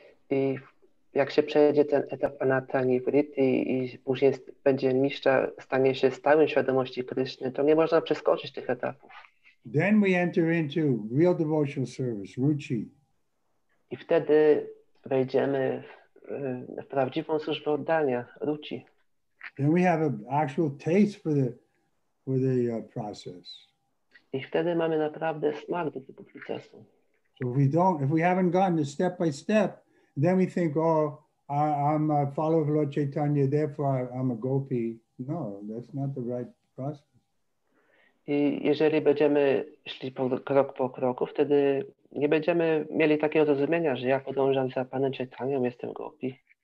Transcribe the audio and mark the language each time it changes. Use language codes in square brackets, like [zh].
[pl] I jak się przejdzie ten etap anartana vritti i później będzie niszcza, stanie się stałym świadomości Kryszny, to nie można przeskoczyć tych etapów. [en] Then we enter into real devotional service, ruchi. [pl] I wtedy wejdziemy w prawdziwą służbę oddania, ruchi. [en] Then we have an actual taste for the process. [pl] I wtedy mamy naprawdę smak do tego procesu. [en] So if we haven't gotten it step by step, then we think, I'm a follower of Lord Chaitanya, therefore I'm a gopi. No, that's not the right process. [pl] I jeżeli będziemy szli krok po kroku, wtedy nie będziemy mieli takiego zrozumienia, że ja podążam za Panem Chaitanya, jestem gopi.